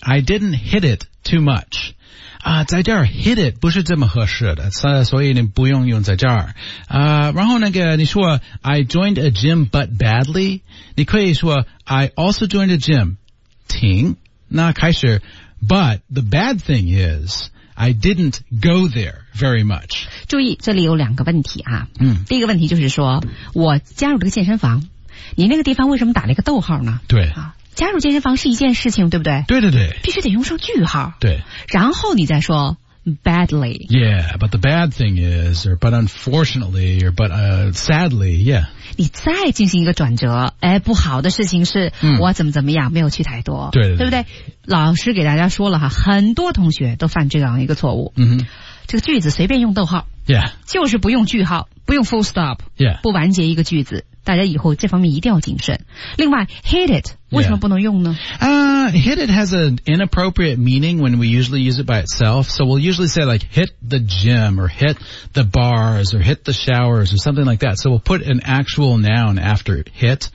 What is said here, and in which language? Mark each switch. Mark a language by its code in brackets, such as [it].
[en] I didn't hit it too much. [zh] 在这儿 [en] hit it [zh] 不是这么合适的、所以你不用用在这儿、然后那个你说 [en] I joined a gym but badly [zh] 你可以说 [en] I also joined a gym 停那开始 but the bad thing is I didn't go there very much [zh] 注意这里有两个问题啊、第一个问题就是说我加入这个健身房你那个地方为什么打了一个逗号呢对、加入健身房是一件事情对不对对对对必须得用上句号对然后你再说 badly [en] yeah but the bad thing is or but unfortunately or but sadly yeah [zh] 你再进行一个转折哎，不好的事情是我怎么怎么样没有去太多对 对, 对不对老师给大家说了哈，很多同学都犯这样一个错误、 [en] mm-hmm. [zh] 这个句子随便用逗号 [en] yeah [zh] 就是不用句号不用 full stop [en] yeah [zh] 不完结一个句子大家以后这方面一定要谨慎。另外 ,hit it, 为什么不能用呢、 [en] hit it has an inappropriate meaning when we usually use it by itself, so we'll usually say like hit the gym, or hit the bars, or hit the showers, or something like that, so we'll put an actual noun after hit